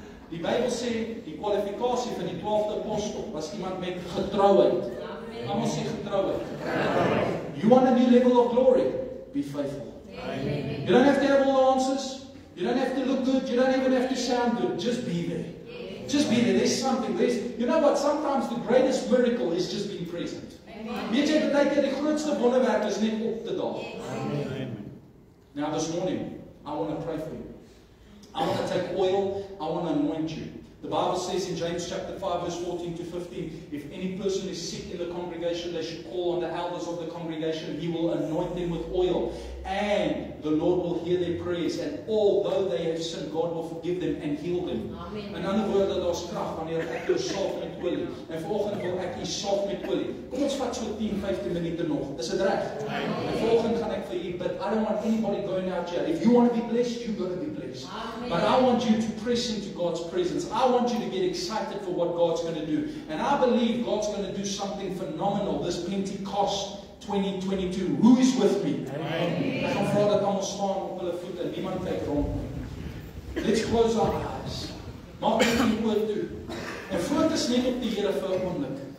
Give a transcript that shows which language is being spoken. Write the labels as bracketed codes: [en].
[af] Die Bybel sê, die kwalifikasie van die 12de apostel was iemand met getrouheid. Amen. Almal sê getrouheid. [en] You want a new level of glory? Be faithful. Amen. You don't have to have all the answers. You don't have to look good. You don't even have to sound good. Just be there. Amen. Just be there. There's something. You know what? Sometimes the greatest miracle is just being present. [af] Weet jy, dat jy die grootste wonderwerk is net op te daag. Amen. [en] Now this morning, I want to pray for you. I want to take oil, I want to anoint you. The Bible says in James chapter 5 verse 14 to 15, if any person is sick in the congregation, they should call on the elders of the congregation. He will anoint them with oil, and the Lord will hear their prayers, and although they have sinned, God will forgive them and heal them. Amen. In other words, [af] daar is krag wanneer ek jou salf met olie. En vanoggend wil ek jou salf met olie. Kom ons vat so 10, 15 minute nog. Is dit reg? Amen. En vanoggend gaan ek vir jou bid. [en] I don't want anybody going out here. If you want to be blessed, you're going to be blessed. Amen. But I want you to press into God's presence. I want you to get excited for what God's going to do. And I believe God's going to do something phenomenal this Pentecost 2022. Who is with me? Amen. [af] Ek gaan vra dat almal staan op hulle voete. Niemand kyk rond nie. [en] Let's close our eyes. [af] Maak net die oor toe. En fokus net op die Here vir 'n oomblik.